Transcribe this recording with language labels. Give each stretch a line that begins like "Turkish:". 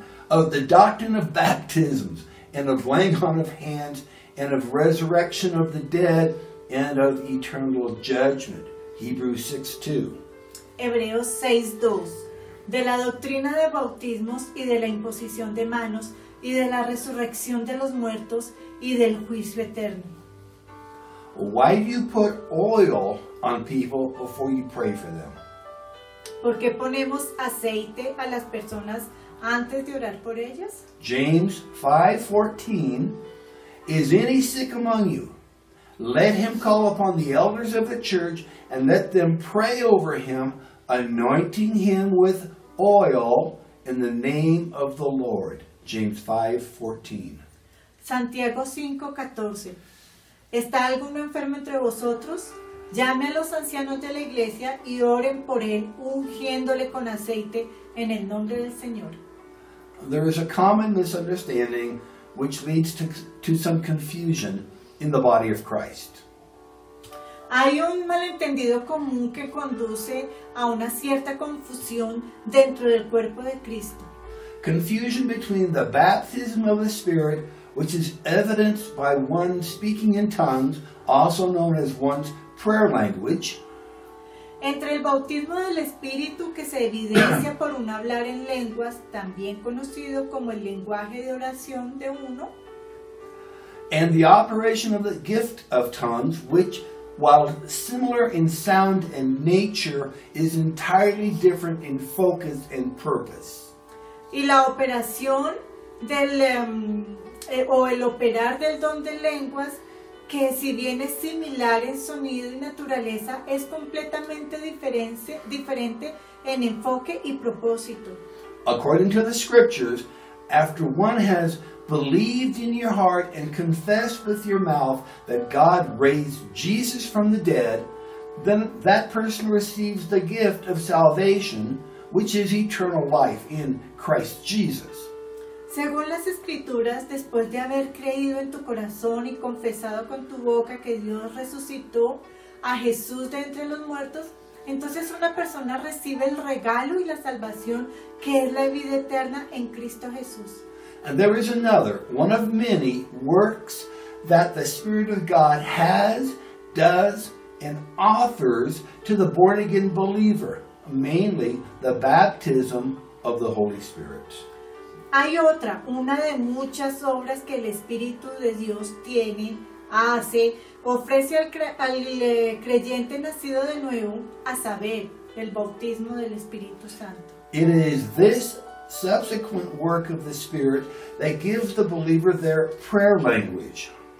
English: Of the doctrine of baptisms and of laying on of hands and of resurrection of the dead and of eternal judgment. Hebrews 6:2.
Spanish: Hebreos 6:2. De la doctrina de bautismos y de la imposición de manos y de la resurrección de los muertos y del juicio eterno.
English: Why do you put oil on people before you pray for them?
Spanish: ¿Por qué ponemos aceite a las personas antes de orar por ellas?
English: James 5:14. Is any sick among you? Let him call upon the elders of the church and let them pray over him, anointing him with oil in the name of the Lord. James 5:14.
Spanish: Santiago 5:14. ¿Está alguno enfermo entre vosotros? Llame a los ancianos de la iglesia y oren por él, ungiéndole con aceite en el nombre del Señor.
English: There is a common misunderstanding which leads to some confusion in the body of Christ.
Spanish: Hay un malentendido común que conduce a una cierta confusión dentro del cuerpo de Cristo.
English: Confusion between the baptism of the Spirit, which is evidenced by one speaking in tongues, also known as one's prayer language.
Spanish: Entre el bautismo del Espíritu que se evidencia por un hablar en lenguas, también conocido como el lenguaje de oración de uno.
English: And the operation of the gift of tongues, which, while similar in sound and nature, is entirely different in focus and purpose.
Spanish: Y la operación del o el operar del don de lenguas, que si bien es similar en sonido y naturaleza, es completamente diferente en enfoque y propósito.
English: According to the scriptures, after one has believed in your heart and confessed with your mouth that God raised Jesus from the dead, then that person receives the gift of salvation, which is eternal life in Christ Jesus.
Spanish: Según las Escrituras, después de haber creído en tu corazón y confesado con tu boca que Dios resucitó a Jesús de entre los muertos, entonces una persona recibe el regalo y la salvación que es la vida eterna en Cristo Jesús.
English: And there is another, one of many works that the Spirit of God has, does, and authors to the born-again believer, mainly the baptism of the Holy Spirit.
Spanish: Hay otra, una de muchas obras que el Espíritu de Dios tiene, hace, ofrece al creyente nacido de nuevo, a saber, el bautismo del Espíritu Santo.
English: It is this subsequent work of the Spirit that gives the believer their prayer language.